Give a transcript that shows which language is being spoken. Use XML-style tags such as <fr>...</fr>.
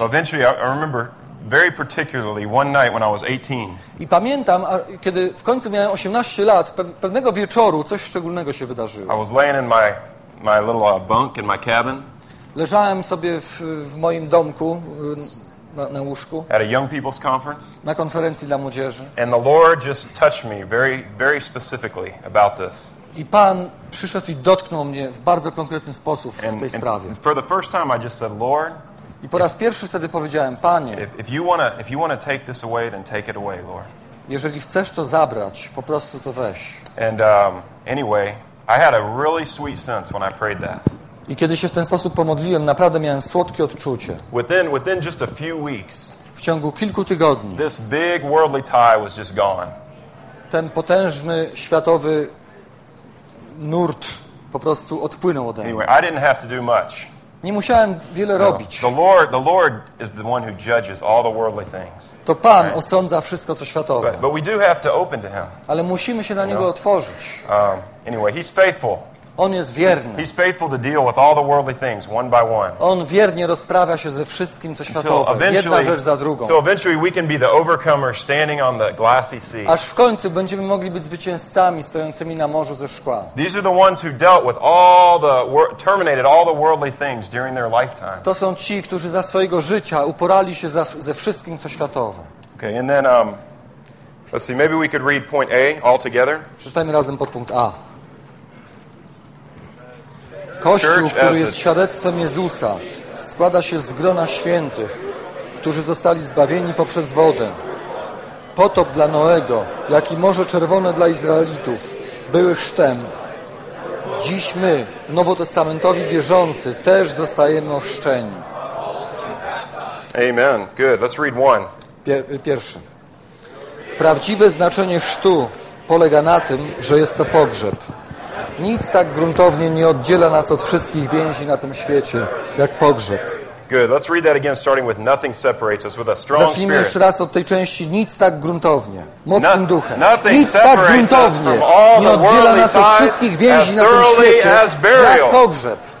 <en>Well, eventually I remember very particularly one night when I was 18.</en> <pl>I pamiętam, kiedy w końcu miałem 18 lat, pewnego wieczoru coś szczególnego się wydarzyło.</pl> <en>I was laying in my little bunk in my cabin.</en> <pl>Leżałem sobie w moim domku na łóżku.</pl> <en>At a young people's conference.</en> <pl>Na konferencji dla młodzieży.</pl> <en>And the Lord just touched me very, very specifically about this.</en> <pl>I Pan przyszedł i dotknął mnie w bardzo konkretny sposób w tej sprawie.</pl> <en>And for the first time I just said, Lord,</en> <pl>i po raz pierwszy wtedy powiedziałem, Panie,</pl> <en>if you wanna take this away, then take it away, Lord.</en> <pl>Jeżeli chcesz to zabrać, po prostu to weź.</pl> <en>And anyway, I had a really sweet sense when I prayed that.</en> <pl>I kiedy się w ten sposób pomodliłem, naprawdę miałem słodkie odczucie.</pl> <en>Within just a few weeks,</en> <pl>w ciągu kilku tygodni,</pl> <en>this big worldly tie was just gone.</en> <pl>Ten potężny światowy nurt po prostu odpłynął ode mnie.</pl> <en>Anyway, I didn't have to do much.</en> <pl>Nie musiałem wiele robić.</pl> <en>The Lord is the one who judges all the worldly things.</en> <pl>To Pan osądza wszystko, co światowe.</pl> <en>But we do have to open to Him.</en> <pl>Ale musimy się na Niego otworzyć.</pl> <en>Anyway, He's faithful.</en> <pl>On jest wierny.</pl> <en>He's faithful to deal with all the worldly things one by one.</en> <pl>On wiernie rozprawia się ze wszystkim, co światowe, jedna rzecz za drugą.</pl> <en>So eventually we can be the overcomer standing on the glassy sea.</en> <pl>Aż w końcu będziemy mogli być zwycięzcami stojącymi na morzu ze szkła.</pl> <en>These are the ones who dealt with terminated all the worldly things during their lifetime.</en> <pl>To są ci, którzy za swojego życia uporali się ze wszystkim, co światowe.</pl> <en>Okay, and then let's see, maybe we could read point A all together.</en> <pl>Przeczytajmy razem pod punkt A. Kościół, który jest świadectwem Jezusa, składa się z grona świętych, którzy zostali zbawieni poprzez wodę. Potop dla Noego, jak i Morze Czerwone dla Izraelitów, były chrztem. Dziś my, nowotestamentowi wierzący, też zostajemy ochrzczeni.</pl> <en>Amen. Good. Let's read one.</en> <pl>Pierwszy. Prawdziwe znaczenie chrztu polega na tym, że jest to pogrzeb. Nic tak gruntownie nie oddziela nas od wszystkich więzi na tym świecie, jak pogrzeb.</pl> <en>Good. Let's read that again, starting with nothing separates us with a strong spirit.</en> <pl>Zacznijmy jeszcze raz od tej części. Nic tak gruntownie, mocnym duchem. Nic tak gruntownie nie oddziela nas od wszystkich więzi na tym świecie, jak pogrzeb.</pl>